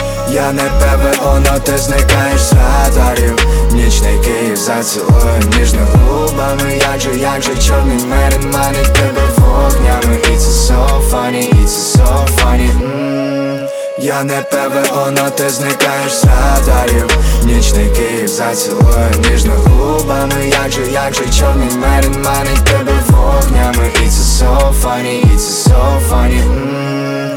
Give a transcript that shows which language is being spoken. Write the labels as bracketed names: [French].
[Ukrainian] Я не ПВО, но ти зникаєш з радарів. Нічний Київ зацілує ніжно губами. Як же чорний мерин манить тебе вогнями. [English] It's so funny, it's so funny. [Ukrainian] Я не ПВО, но ти зникаєш з радарів. Нічний Київ зацілує ніжно губами. Як же чорний мерин манить тебе вогнями. [English] It's so funny, it's so funny.